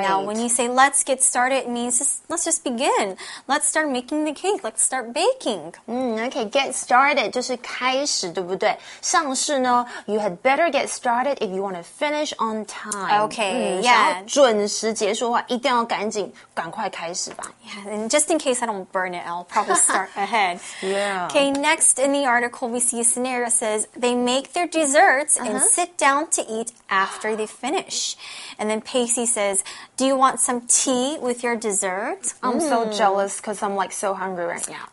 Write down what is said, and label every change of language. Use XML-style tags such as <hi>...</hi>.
<en>Now, when you say let's get started, it means let's just begin. Let's start making the cake. Let's start baking.</en> <zh>Okay,</zh> <en>get started</en> <zh>就是开始，对不对？像是呢</zh> <en>you had better get started if you want to finish on time. Okay,</en> <zh>想要准时结束的话，一定要赶快开始吧。</zh> <en>Yeah, and just in case I don't burn it, I'll probably start ahead. Yeah. Okay, next in the article, we see a scenario says they make their desserts andSit down to eat after they finish. And then Pacey says, do you want some tea with your dessert? I'm so jealous because I'm like so hungry right now.</en>